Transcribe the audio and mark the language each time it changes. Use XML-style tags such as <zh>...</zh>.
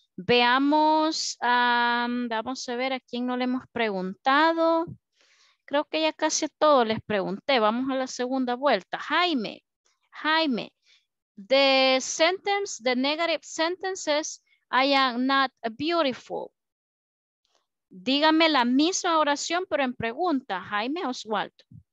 <es>Veamos, vamos a ver a quién no le hemos preguntado. Creo que ya casi a todos les pregunté. Vamos a la segunda vuelta.</es> <en>Jaime, Jaime, the sentence, the negative sentences, I am not beautiful.</en> <es>Dígame la misma oración, pero en pregunta, Jaime Oswaldo.</es>